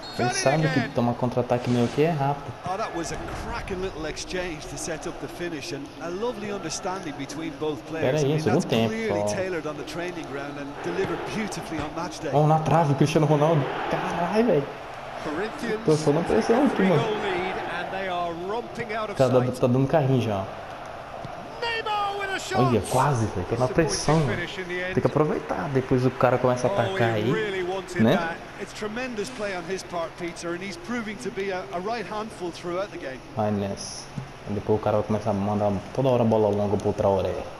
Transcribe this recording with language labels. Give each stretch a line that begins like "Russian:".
Portuguese: Ele sabe que tomar contra-ataque meu aqui é rápido.
English: Oh, that was a cracking little exchange to set up the finish and a lovely understanding between both players.
Portuguese: Aí, segundo tempo.
English: Clearly tailored on the training ground and delivered beautifully on match day.
Portuguese: Oh, na trave, Cristiano Ronaldo. Caralho, velho. Tô só na pressão aqui, mano. Tá dando, carrinho já, ó. Olha, quase, velho. Tô na pressão. Tem que aproveitar depois o cara começa a atacar aí. Né?
English: It's tremendous play on his part, Peter, and he's proving to be a right handful throughout the game.
Portuguese: Ai, Ness. Depois o cara vai começar a mandar toda hora a bola longa pro Traoré.